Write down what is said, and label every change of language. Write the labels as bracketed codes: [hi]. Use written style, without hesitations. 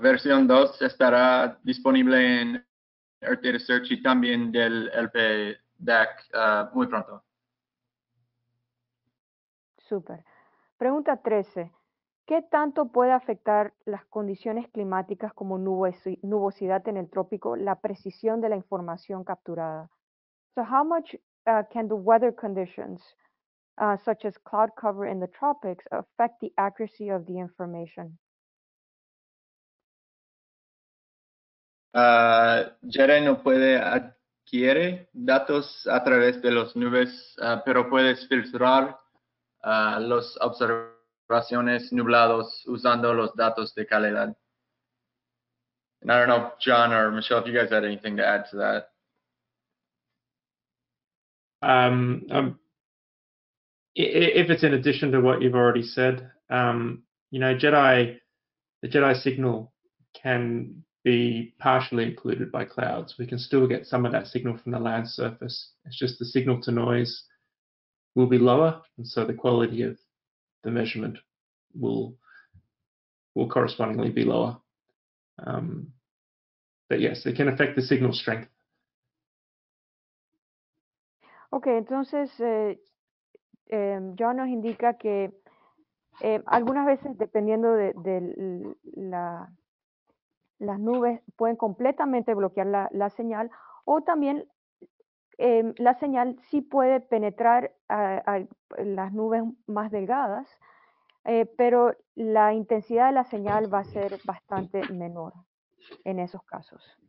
[es] Versión 2 estará disponible en Earth Data Search y también del LPDAC muy pronto. Super. Pregunta 13. ¿Qué tanto puede afectar las condiciones climáticas como nubosidad en el trópico la precisión de la información capturada? [en] So how much can the weather conditions, such as cloud cover in the tropics, affect the accuracy of the information? [es] JEDI no puede adquirir datos a través de las nubes, pero puede filtrar los observaciones nublados usando los datos de calidad. [en] And I don't know if John or Michelle, if you guys had anything to add to that. If it's in addition to what you've already said, the Jedi signal can be partially occluded by clouds. We can still get some of that signal from the land surface. It's just the signal to noise will be lower, and so the quality of the measurement will correspondingly be lower. But yes, it can affect the signal strength. [es] Okay, entonces John nos indica que algunas veces, dependiendo de las nubes, pueden completamente bloquear la señal, o también la señal sí puede penetrar a las nubes más delgadas, pero la intensidad de la señal va a ser bastante menor en esos casos.